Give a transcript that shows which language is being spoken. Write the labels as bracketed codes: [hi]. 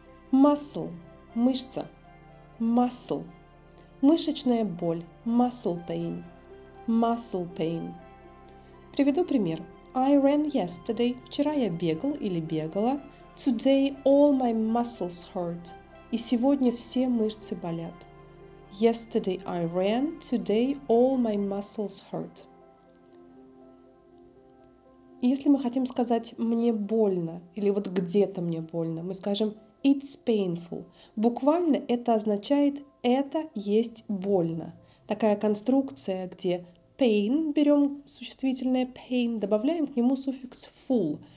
[ru] Muscle – мышца. Muscle – мышечная боль. [en] Muscle pain. Muscle pain. [ru] Приведу пример. [en] I ran yesterday [ru] – вчера я бегал или бегала. [en] Today all my muscles hurt. [ru] И сегодня все мышцы болят. [en] Yesterday I ran, today all my muscles hurt. [ru] Если мы хотим сказать «мне больно» или вот «где-то мне больно», мы скажем [en] «it's painful». [ru] Буквально это означает «это есть больно». Такая конструкция, где pain, берем существительное pain, добавляем к нему суффикс «full».